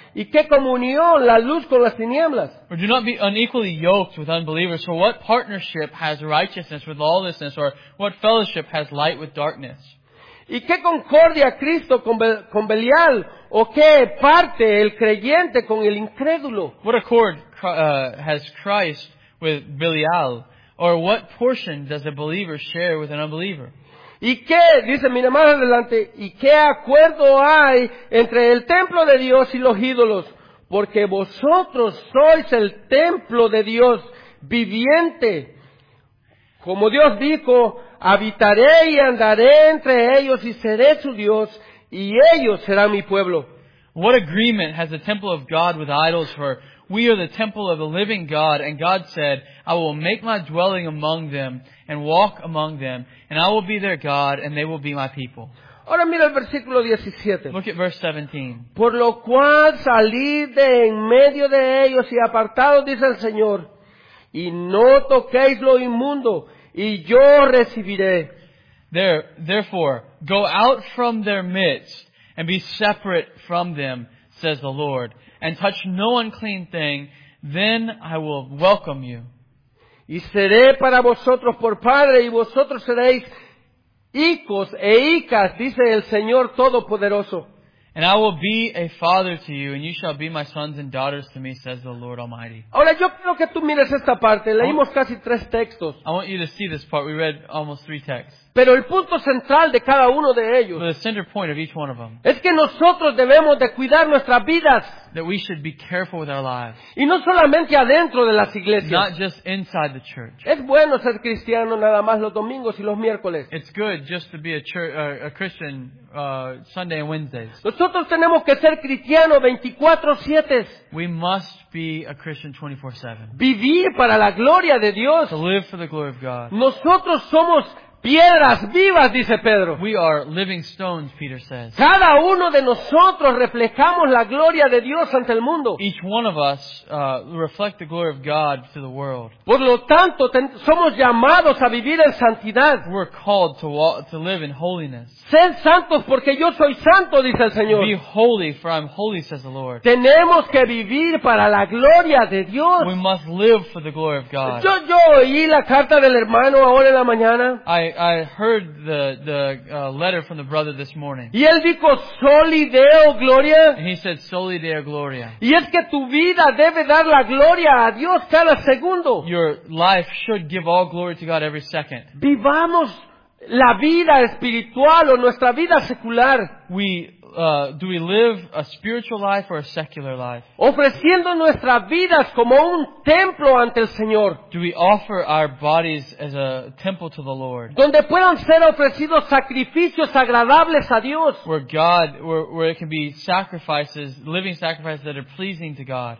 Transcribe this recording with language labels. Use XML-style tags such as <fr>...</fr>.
<es>¿Y qué comunión la luz con las tinieblas?</es> <en>Or do not be unequally yoked with unbelievers. For what partnership has righteousness with lawlessness? Or what fellowship has light with darkness?</en> <es>¿Y qué concordia Cristo con Belial? ¿O qué parte el creyente con el incrédulo?</es> <en>What accord has Christ with Belial, or what portion does a believer share with an unbeliever?</en> <es>¿Y qué, dice, mira más adelante, y qué acuerdo hay entre el templo de Dios y los ídolos? Porque vosotros sois el templo de Dios viviente. Como Dios dijo, habitaré y andaré entre ellos y seré su Dios, y ellos serán mi pueblo.</es> <en>What agreement has the temple of God with idols? For we are the temple of the living God, and God said, I will make my dwelling among them and walk among them, and I will be their God, and they will be my people.</en> <es>Ahora mira el versículo 17.</es> <en>Look at verse 17.</en> <es>Por lo cual salid de en medio de ellos y apartados, dice el Señor, y no toquéis lo inmundo, y yo recibiré.</es> <en>Therefore, go out from their midst and be separate from them, says the Lord. And touch no unclean thing, then I will welcome you.</en> <es>Y seré para vosotros por padre, y vosotros seréis hijos e hijas, dice el Señor Todopoderoso.</es> <en>And I will be a father to you, and you shall be my sons and daughters to me, says the Lord Almighty.</en> <es>Ahora yo quiero que tú mires esta parte. Leímos casi tres textos.</es> <en>I want you to see this part. We read almost three texts.</en> <es>Pero el punto central de cada uno de ellos,</es> <en>the center point of each one of them,</en> <es>es que nosotros debemos de cuidar nuestras vidas.</es> <en>That we should be careful with our lives.</en> <es>Y no solamente adentro de las iglesias.</es> <en>Not just inside the church.</en> <es>Es bueno ser cristiano nada más los domingos y los miércoles.</es> <en>It's good just to be a Christian Sunday and Wednesdays.</en> <es>Nosotros tenemos que ser cristianos 24/7.</es> <en>We must be a Christian 24/7.</en> <es>Vivir para la gloria de Dios.</es> <en>To live for the glory of God.</en> <es>Nosotros somos piedras vivas, dice Pedro.</es> <en>We are living stones, Peter says.</en> <es>Cada uno de nosotros reflejamos la gloria de Dios ante el mundo.</es> <en>Each one of us reflect the glory of God to the world.</en> <es>Por lo tanto, somos llamados a vivir en santidad.</es> <en>We're called to live in holiness.</en> <es>Sed santos porque yo soy santo, dice el Señor.</es> <en>Be holy, for I'm holy, says the Lord.</en> <es>Tenemos que vivir para la gloria de Dios.</es> <en>We must live for the glory of God.</en> <es>Yo oí la carta del hermano ahora en la mañana.</es> <en>I heard the letter from the brother this morning.</en> <es>Y él dijo, Soli Deo Gloria.</es> <en>And he said, Soli Deo Gloria.</en> <es>Y es que tu vida debe dar la gloria a Dios cada segundo.</es> <en>Your life should give all glory to God every second.</en> <es>Vivamos la vida espiritual o nuestra vida secular.</es> <en>Do we live a spiritual life or a secular life?</en> <es>Ofreciendo nuestras vidas como un templo ante el Señor.</es> <en>Do we offer our bodies as a temple to the Lord?</en> <es>Donde puedan ser ofrecidos sacrificios agradables a Dios.</es> <en>Where it can be sacrifices, living sacrifices that are pleasing to God.</en>